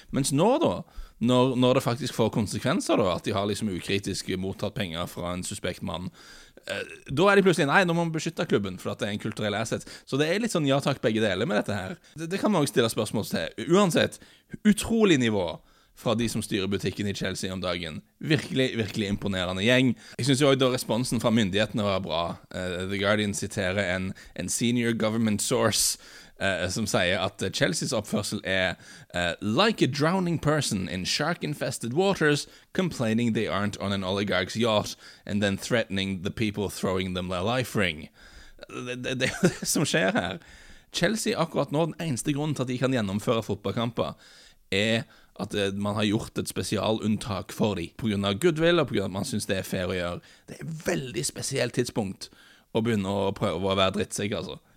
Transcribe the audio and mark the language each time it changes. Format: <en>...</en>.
<no>Mens nå da, når det faktisk får konsekvenser da, at de har liksom ukritisk mottatt penger fra en suspekt mann, da er de plutselig, nei, nå må man beskytte klubben for at det er en kulturell asset. Så det er litt sånn ja takk begge deler med dette her. Det kan man også stille spørsmål til. Uansett, utrolig nivå fra de som styrer butikken i Chelsea om dagen. Virkelig, virkelig imponerende gjeng. Jeg synes jo også da responsen fra myndighetene var bra.</no> <en>The Guardian</en> <no>siterer en</no> <en>senior government source</en> <no>som sier at Chelseas oppførsel er</no> <en>like a drowning person in shark-infested waters complaining they aren't on an oligarch's yacht and then threatening the people throwing them their life ring.</en> <no>Det er jo det som skjer her. Chelsea akkurat nå, den eneste grunnen til at de kan gjennomføre fotballkamper, er at man har gjort et spesialunntak for dem på grunn av goodwill og på grunn av at man synes det er fair å gjøre. Det er et veldig spesielt tidspunkt å begynne å prøve å være drittsikker, altså.</no>